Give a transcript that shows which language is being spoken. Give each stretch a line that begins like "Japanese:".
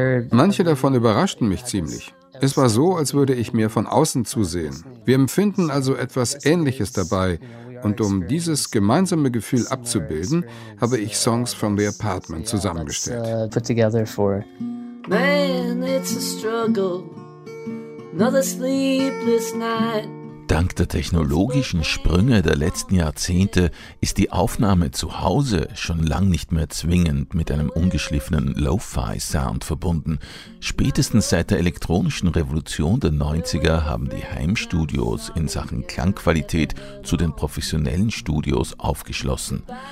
German: Manche davon überraschten mich ziemlich. Es war so, als würde ich mir von außen zusehen. Wir empfinden also etwas Ähnliches dabei. Und um dieses gemeinsame Gefühl abzubilden, habe ich Songs from the Apartment zusammengestellt.
English: Man, it's a struggle. Another sleepless night.
German: Dank der technologischen Sprünge der letzten Jahrzehnte ist die Aufnahme zu Hause schon lang nicht mehr zwingend mit einem ungeschliffenen Lo-Fi-Sound verbunden. Spätestens seit der elektronischen Revolution der 90er haben die Heimstudios in Sachen Klangqualität zu den professionellen Studios aufgeschlossen.